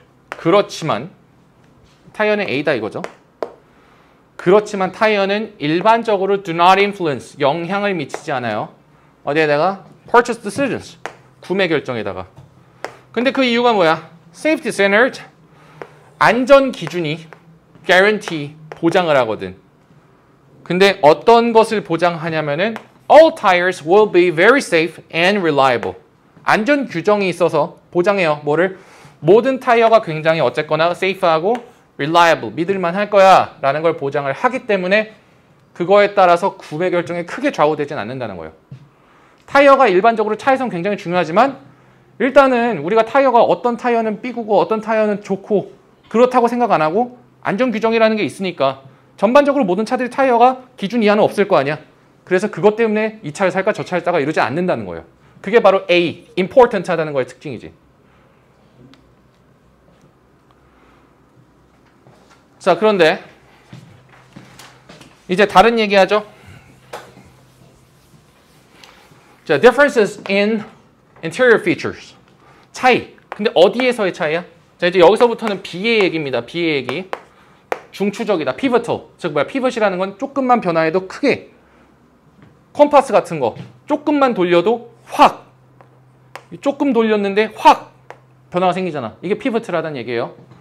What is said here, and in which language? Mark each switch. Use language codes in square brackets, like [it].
[ko] 그렇지만 타이어는 A다 이거죠. 그렇지만 타이어는 일반적으로 [en] do not influence, [ko] 영향을 미치지 않아요. 어디에다가? [en] purchase decisions, [ko] 구매 결정에다가. 근데 그 이유가 뭐야? [en] safety standard, [ko] 안전 기준이 [en] guarantee, [ko] 보장을 하거든. 근데 어떤 것을 보장하냐면은 [en] all tires will be very safe and reliable. [ko] 안전 규정이 있어서 보장해요. 뭐를? 모든 타이어가 굉장히 어쨌거나 safe하고 reliable, 믿을만할 거야 라는 걸 보장을 하기 때문에 그거에 따라서 구매 결정에 크게 좌우되진 않는다는 거예요. 타이어가 일반적으로 차에선 굉장히 중요하지만 일단은 우리가 타이어가 어떤 타이어는 삐구고 어떤 타이어는 좋고 그렇다고 생각 안 하고 안전 규정이라는 게 있으니까 전반적으로 모든 차들이 타이어가 기준 이하는 없을 거 아니야. 그래서 그것 때문에 이 차를 살까 저 차를 살까 이러지 않는다는 거예요. 그게 바로 A, important 하다는 거의 특징이지. 자, 그런데 이제 다른 얘기하죠. [en] 자, differences in interior features. [ko] 차이. 근데 어디에서의 차이야? 자, 이제 여기서부터는 B의 얘기입니다. B의 얘기. 중추적이다. pivotal. 즉 뭐야? pivot이라는 건 조금만 변화해도 크게. 컴파스 같은 거. 조금만 돌려도 확. 조금 돌렸는데 확 변화가 생기잖아. 이게 피벗이라는 얘기예요.